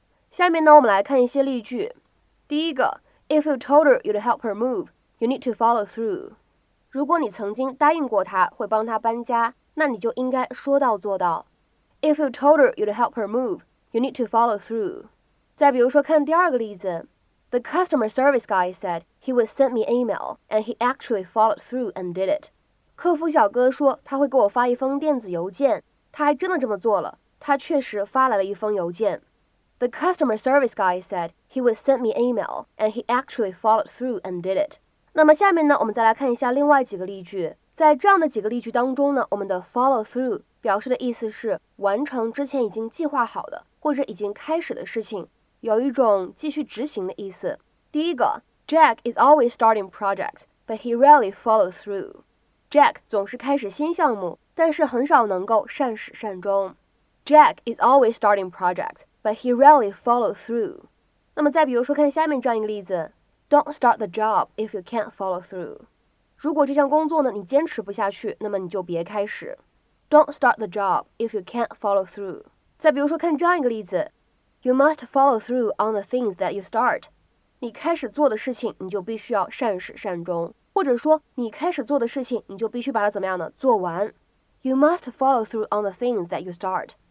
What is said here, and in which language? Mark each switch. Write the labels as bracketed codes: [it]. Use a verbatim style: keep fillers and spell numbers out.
[zh] 下面呢，我们来看一些例句。第一个 [en] ，If you told her you'd help her move, you need to follow through。 [zh] 如果你曾经答应过她会帮她搬家，那你就应该说到做到。 [en] If you told her you'd help her move, you need to follow through。 [zh] 再比如说，看第二个例子 [en] ，The customer service guy said he would send me an email, and he actually followed through and did it。 [zh] 客服小哥说他会给我发一封电子邮件，他还真的这么做了，他确实发来了一封邮件。 [en] The customer service guy said he would send me an email, and he actually followed through and did it. [zh] 那么下面呢，我们再来看一下另外几个例句。在这样的几个例句当中呢，我们的 follow through 表示的意思是完成之前已经计划好的，或者已经开始的事情，有一种继续执行的意思。第一个 [en] Jack is always starting projects, but he rarely follows through. [zh] Jack 总是开始新项目，但是很少能够善始善终。 [en] Jack is always starting projects, but he rarely follows through. [zh] 那么再比如说看下面这样一个例子 [en] Don't start the job if you can't follow through. [zh] 如果这项工作呢，你坚持不下去，那么你就别开始。 [en] Don't start the job if you can't follow through. [zh] 再比如说看这样一个例子 [en] You must follow through on the things that you start. [zh] 你开始做的事情，你就必须要善始善终，或者说你开始做的事情，你就必须把它怎么样呢？做完。 [en] You must follow through on the things that you start.